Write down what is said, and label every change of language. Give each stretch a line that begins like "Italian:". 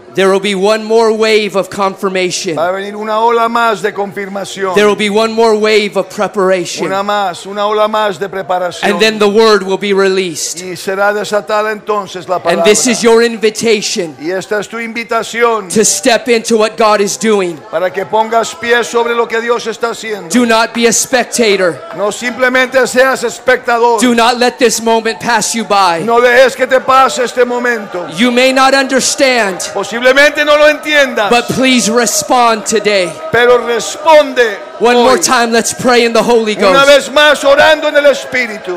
English: There will be one more wave of confirmation.
Spanish: Va a venir una ola más de confirmación.
English: There will be one more wave of preparation.
Spanish: Una ola más de preparación.
English: And then the word will be released.
Spanish: Y será desatada entonces la palabra.
English: And this is your invitation.
Spanish: Y esta es tu invitación.
English: To step into what God is doing.
Spanish: Para que pongas pie sobre lo que Dios está haciendo.
English: Do not be a spectator.
Spanish: No simplemente seas espectador.
English: Do not let this moment pass you by.
Spanish: No dejes que te pase este momento.
English: You may not understand.
Spanish: Posiblemente no lo entiendas.
English: But please respond today.
Spanish: Pero responde.
English: One more time, let's pray in the Holy Ghost.
Spanish: Una vez más, orando en el Espíritu.